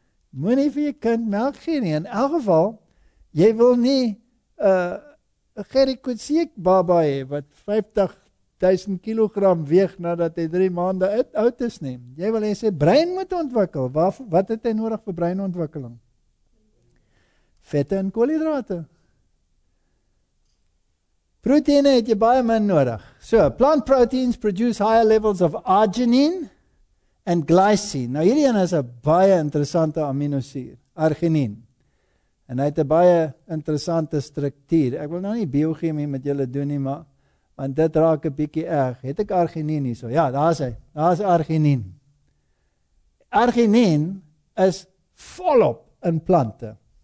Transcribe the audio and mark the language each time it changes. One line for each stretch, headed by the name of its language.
Afrikaans: Moenie vir jou kind melk gee nie. In elk geval, jy wil nie 'n Gerikoetsiek baba hê wat 50 1000 kilogram weeg nadat hy 3 maande oud is nie. Jy wil hê sy brein moet ontwikkel. Wat het hy nodig vir breinontwikkeling? Vette en koolhidrate. Proteïne het jy baie min nodig.
English: So, plant proteins produce higher levels of arginine and glycine.
Afrikaans: Nou hierdie een is 'n baie interessante aminosuur, arginine. En hy het 'n baie interessante struktuur. Ek wil nou nie biochemie met julle doen nie, maar want dit raak 'n bietjie erg. Het ek arginine hierso? Ja, daar is hy. Daar is arginine. Arginine is volop in plante.